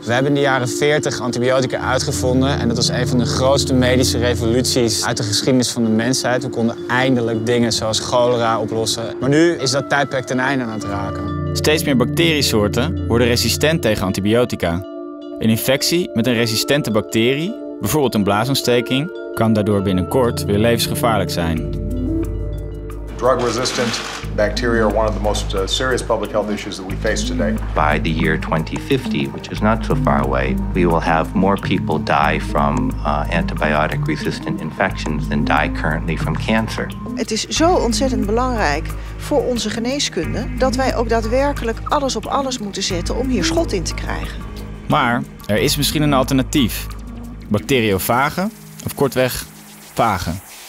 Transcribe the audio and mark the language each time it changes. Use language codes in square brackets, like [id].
[nl] We hebben in de jaren 40 antibiotica uitgevonden en dat was een van de grootste medische revoluties uit de geschiedenis van de mensheid. We konden eindelijk dingen zoals cholera oplossen. Maar nu is dat tijdperk ten einde aan het raken. Steeds meer bacteriesoorten worden resistent tegen antibiotica. Een infectie met een resistente bacterie, bijvoorbeeld een blaasontsteking, kan daardoor binnenkort weer levensgevaarlijk zijn. [en] Drug-resistant bacteria are one of the most serious public health issues that we face today. By the year 2050, which is not so far away, we will have more people die from antibiotic-resistant infections than die currently from cancer. [nl] Het is zo ontzettend belangrijk voor onze geneeskunde dat wij ook daadwerkelijk alles op alles moeten zetten om hier schot in te krijgen. Maar er is misschien een alternatief. Bacteriofagen, of kortweg vagen.